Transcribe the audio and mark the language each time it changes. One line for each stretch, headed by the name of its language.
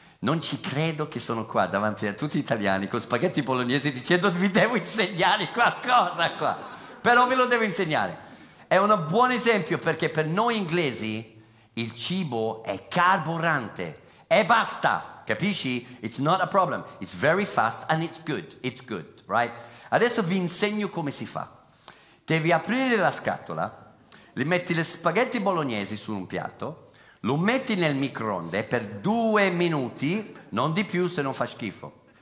Italian: Non ci credo che sono qua davanti a tutti gli italiani con spaghetti bolognesi dicendo vi devo insegnare qualcosa qua, però ve lo devo insegnare. È un buon esempio perché per noi inglesi il cibo è carburante e basta, capisci?
English: It's not a problem, it's very fast and it's good, right?
Italian: Adesso vi insegno come si fa. Devi aprire la scatola, li metti le spaghetti bolognesi su un piatto, lo metti nel microonde per 2 minuti, non di più se non fa schifo.